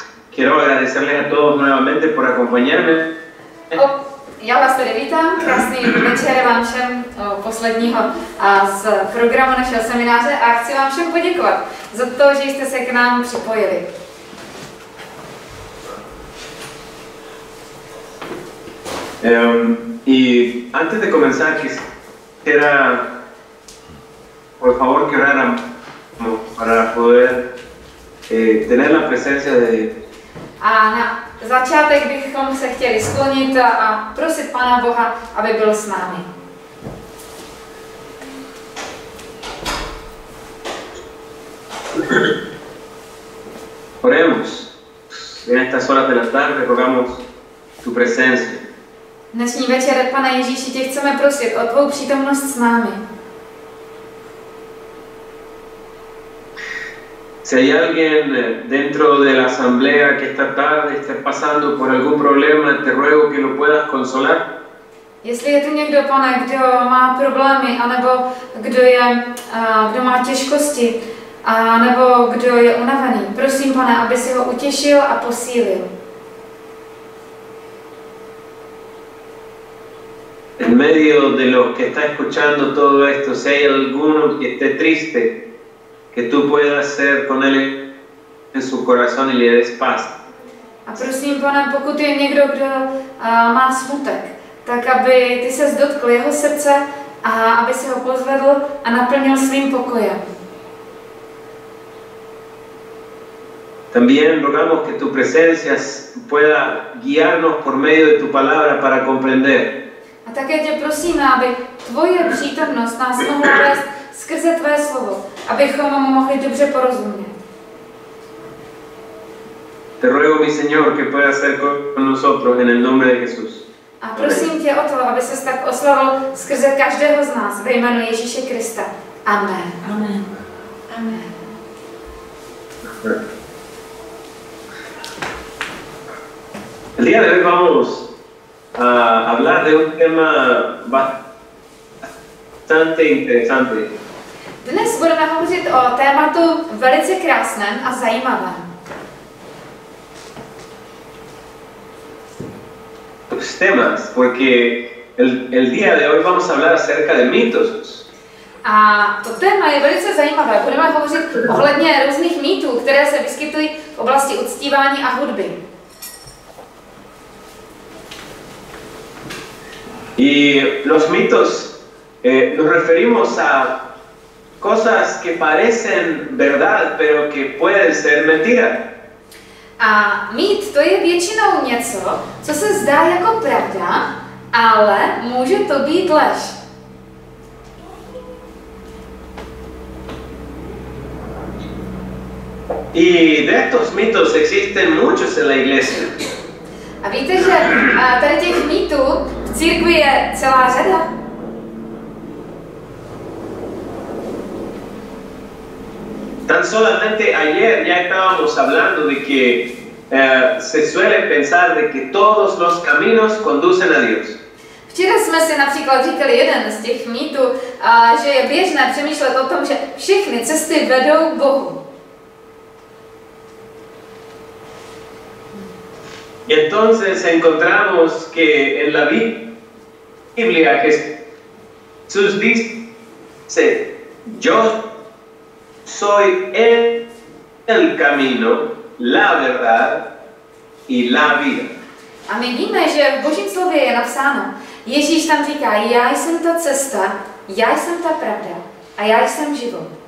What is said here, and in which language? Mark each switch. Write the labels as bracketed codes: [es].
[es] Quiero agradecerles a todos nuevamente por acompañarme. [cs] Já vás tedy vítám, krásný večer vám všem posledního z programu našeho semináře a chci vám všem poděkovat za to, že jste se k nám připojili. [es] Y antes de comenzar, quisiera, por favor, que oraran para poder tener la presencia de... [cs] A na začátek bychom se chtěli sklonit a prosit Pana Boha, aby byl s námi. [es] Oremos. En estas horas de la tarde rogamos tu presencia. [cs] Dnešní večer, Pane Ježíši, tě chceme prosit o tvou přítomnost s námi. [es] Si hay alguien dentro de la asamblea que esta tarde esté pasando por algún problema, te ruego que lo puedas consolar. [cs] Jestli je tu někdo, pane, kdo má problémy, anebo kdo je, kdo má těžkosti, anebo kdo je unavený, prosím, pane, aby si ho utěšil a posílil. [es] En medio de los que está escuchando todo esto, si hay alguno que esté triste, que tú puedas ser con él en su corazón y le des paz. [cs] A prosím, pane, pokud je někdo, kdo má smutek, tak aby ty ses dotkl jeho srdce a aby si ho pozvedl a naplnil svým pokojem. [es] También rogamos que tu presencia pueda guiarnos por medio de tu palabra para comprender. [cs] A také tě prosíme, aby tvoje přítomnost nás mohla vést skrze tvé slovo, abychom mu mohli dobře porozumět. [es] Te ruego, mi Señor, que pueda ser con nosotros en el nombre de Jesús. [cs] A prosím tě o to, aby ses tak oslavil skrze každého z nás ve jménu Ježíše Krista. Amen. Amen. Amen. [es] El día de hoy vamos a hablar de un tema bastante interesante. [cs] Dnes budeme hovořit o tématu velice krásném a zajímavém. [es] Los temas, porque el día de hoy vamos a hablar acerca de mitos. [cs] A to téma je velice zajímavé. Budeme hovořit ohledně různých mýtů, které se vyskytují v oblasti uctívání a hudby. [es] Y los mitos, nos referimos a cosas que parecen verdad, pero que pueden ser mentira. [cs] A mýt to je většinou něco, co se zdá jako pravda, ale může to být lež. [es] Y de estos mitos existen muchos en la iglesia. [cs] A víte, že tady těch mýtů v církvi je celá řada? [es] Tan solamente ayer ya estábamos hablando de que se suele pensar de que todos los caminos conducen a Dios. [cs] Včera jsme si například říkali jeden z těch mýtů, že je běžné přemýšlet o tom, že všechny cesty vedou k Bohu. [es] Y entonces encontramos que en la Biblia Jesús dice, yo soy el camino, la verdad y la vida. [cs] A my víme, že v Božím slově je napsáno, Ježíš tam říká, já jsem ta cesta, já jsem ta pravda a já jsem život.